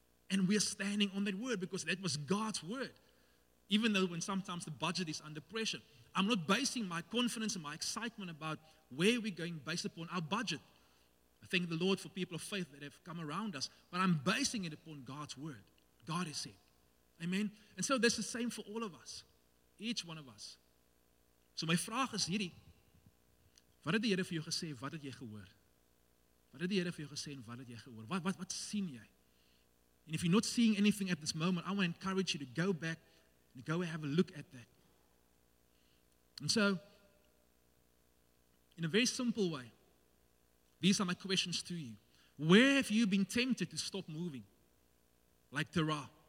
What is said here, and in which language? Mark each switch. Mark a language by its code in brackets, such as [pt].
[en] And we are standing on that word because that was God's word. Even though when sometimes the budget is under pressure, I'm not basing my confidence and my excitement about where we're going based upon our budget. I thank the Lord for people of faith that have come around us, but I'm basing it upon God's word. God has said. Amen. And so that's the same for all of us, each one of us. [af] So my vraag is hierdie, wat het die Here vir jou gesê, wat het jy gehoor? Wat het die Here vir jou gesê en wat het jy gehoor? Wat sien jy? [en] And if you're not seeing anything at this moment, I want to encourage you to go back and go and have a look at that. And so, in a very simple way, these are my questions to you. Where have you been tempted to stop moving? Like Terah.